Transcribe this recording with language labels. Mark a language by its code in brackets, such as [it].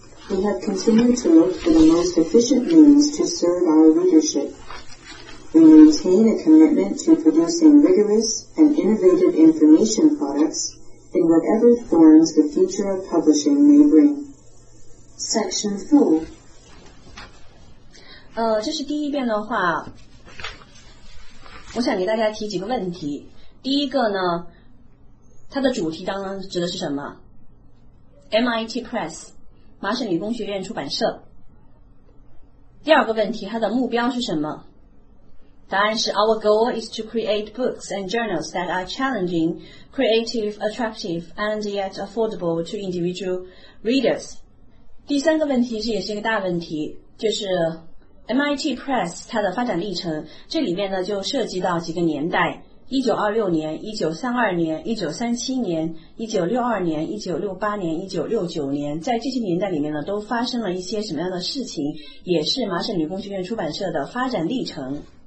[en] We have continued to look for the most efficient means to serve our readership. We maintain a commitment to producing rigorous and innovative information products in whatever forms the future of publishing may bring. Section 4. [zh] 这是第一遍的话，我想给大家提几个问题。第一个呢，它的主题当然指的是什么？ MIT Press， 麻省理工学院出版社。第二个问题，它的目标是什么？答案是 [en] Our goal is to create books and journals that are challenging, creative, attractive, and yet affordable to individual readers. [zh] 第三个问题是也是一个大问题，就是 MIT Press 它的发展历程，这里面呢就涉及到几个年代，1926年、1932年、1937年、1962年、1968年、1969年，在这些年代里面呢都发生了一些什么样的事情，也是麻省理工学院出版社的发展历程。